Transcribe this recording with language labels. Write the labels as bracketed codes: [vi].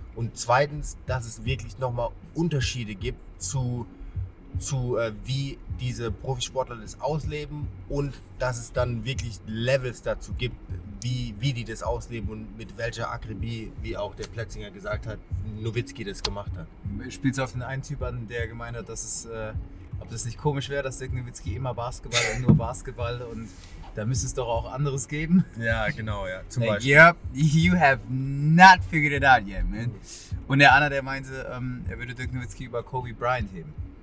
[de] Und zweitens, dass es wirklich nochmal Unterschiede gibt zu wie diese Profisportler das ausleben und dass es dann wirklich Levels dazu gibt, wie die das ausleben und mit welcher Akribie, wie auch der Plätzinger gesagt hat, Nowitzki das gemacht hat. Spielst du auf den einen Typ an, der gemeint hat, dass es, ob das nicht komisch wäre, dass Dirk Nowitzki immer Basketball und nur Basketball und da müsste es doch auch anderes geben. Ja, genau, ja. Zum Beispiel. [en] Yep, you have not figured it out yet, man. [de] Und der andere, der meinte, er würde Dirk Nowitzki über Kobe Bryant heben.